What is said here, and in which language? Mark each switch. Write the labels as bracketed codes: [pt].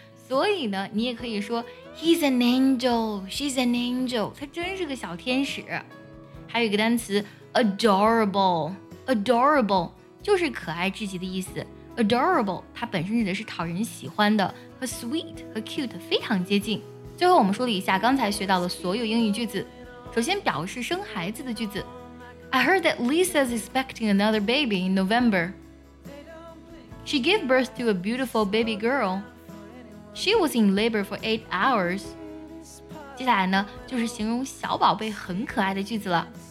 [zh] 所以呢，你也可以说 [en] He's an angel, she's an angel， [zh] 他真是个小天使。还有一个单词 adorable， adorable 就是可爱至极的意思。 adorable 它本身指的是讨人喜欢的，和 sweet 和 cute 非常接近。最后我们梳理一下刚才学到的所有英语句子。首先表示生孩子的句子， [en] I heard that Lisa is expecting another baby in November. She gave birth to a beautiful baby girl. She was in labor for 8 hours. [zh] 接下来呢，就是形容小宝贝很可爱的句子了。